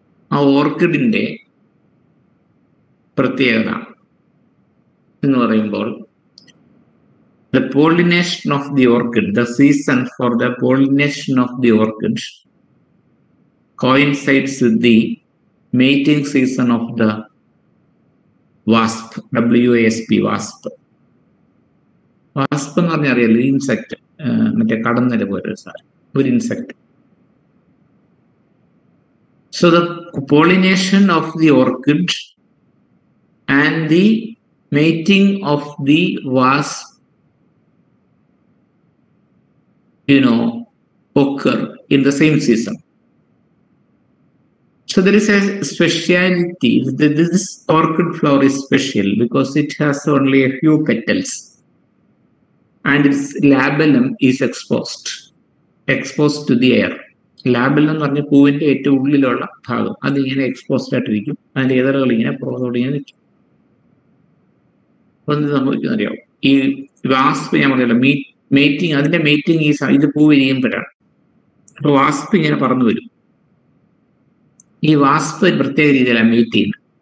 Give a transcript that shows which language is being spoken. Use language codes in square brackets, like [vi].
[ml] ആ ഓർക്കിഡിൻ്റെ പ്രത്യേകത എന്ന് പറയുമ്പോൾ, [en] The pollination of the orchid, the season for the pollination of the orchid coincides with the mating season of the wasp, WASP wasp. [ml] വാസ്പ് എന്ന് പറഞ്ഞാൽ അറിയാലോ, ഇൻസെക്ട്, മറ്റേ കടന്നല പോലെ സാർ, ഒരു insect. [en] So the pollination of the orchid and the mating of the wasp, you know, occur in the same season. So there is a speciality. This orchid flower is special because it has only a few petals and its labellum is exposed to the air. [ml] ലാബലം എന്ന് പറഞ്ഞ പൂവിന്റെ ഏറ്റവും ഉള്ളിലുള്ള ഭാഗം, അതിങ്ങനെ exposed ആയിട്ടിരിക്കും. അതിന്റെ ഏതറുകൾ ഇങ്ങനെ പുറത്തോടെ ഇങ്ങനെ നിൽക്കും. അപ്പൊ എന്ത് സംഭവിക്കുന്ന അറിയാവും, ഈ വാസ്പ് ഞാൻ പറഞ്ഞല്ലോ മേറ്റിംഗ്, അതിന്റെ മേറ്റിംഗ് ഈ ഇത് പൂവ് ഇരിക്കുമ്പോഴാണ്. അപ്പൊ വാസ്പ് ഇങ്ങനെ പറന്നു വരും. ഈ വാസ്പ് പ്രത്യേക രീതിയിലാണ് മേറ്റ് ചെയ്യുന്നത്.